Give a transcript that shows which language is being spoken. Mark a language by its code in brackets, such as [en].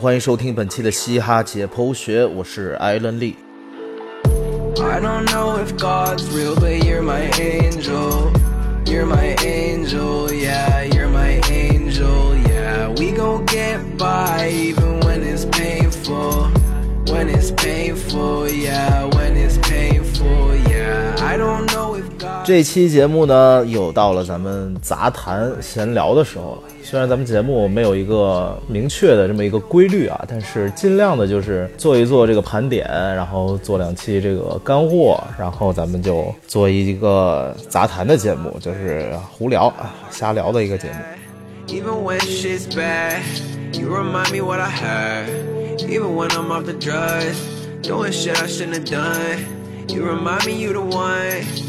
[zh] 欢迎收听本期的嘻哈解剖学，我是艾伦利。 [en] I don't know if God's real, but you're my angel. You're my angel, yeah, you're my angel, yeah. We gon' get by even when it's painful. When it's painful, yeah, when it's painful, yeah. I don't know if God's... [zh] 这期节目呢，又到了咱们杂谈闲聊的时候了。虽然咱们节目没有一个明确的这么一个规律啊，但是尽量的就是做一做这个盘点，然后做两期这个干货，然后咱们就做一个杂谈的节目，就是胡聊瞎聊的一个节目。 [en] Even when shit's bad, you remind me what I had. Even when I'm off the drugs, doing shit I shouldn't have done. You remind me you the one.